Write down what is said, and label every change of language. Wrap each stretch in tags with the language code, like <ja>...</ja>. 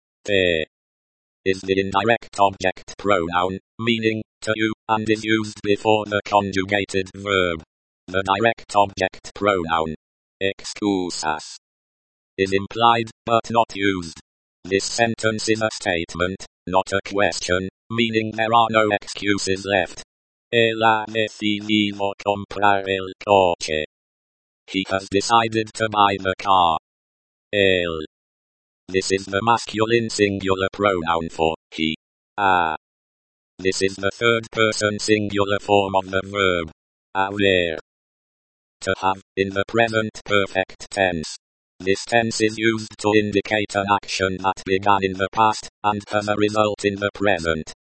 <en>Te is the indirect object pronoun, meaning to you, and is used before the conjugated verb. The direct object pronoun excusas is implied, but not used. This sentence is a statement, not a question, meaning there are no excuses left.</en> <es>Él ha decidido comprar el coche.</es> <en>He has decided to buy the car. Él. This is the masculine singular pronoun for he. Ah. This is the third person singular form of the verb. Haber. To have, in the present perfect tense. This tense is used to indicate an action that began in the past and has a result in the present.</en>